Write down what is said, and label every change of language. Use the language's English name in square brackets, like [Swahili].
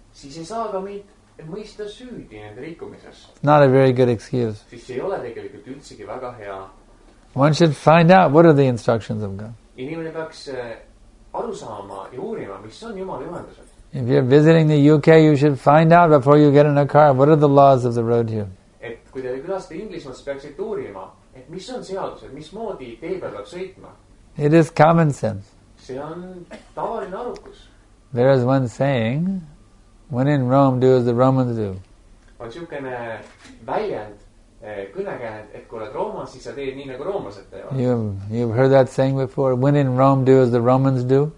[Estonian] Siis ei saa ka meid mõista süüdi nende rikkumises. [English] Not a very good excuse. [Estonian] Siis ei ole tegelikult üldsegi väga hea. [English] One should find out what are the instructions of God. [Estonian] Inimene peaks aru saama ja uurima, mis on Jumala juhendused. [English] If you're visiting the UK, you should find out before you get in a car, what are the laws of the road here? [Estonian] Et kui te külaste Inglismas, peaksid uurima, et mis on seadused, mis moodi tee peal peab sõitma. [English] It is common sense. [Estonian] See on tavaline arukus. [English] There is one saying, when in Rome, do as the Romans do. [Estonian] On siukene väljend, kõnekäed, et kui oled Roomas, siis sa teed nii nagu roomlased teevad. [English] You've heard that saying before, when in Rome do as the Romans do?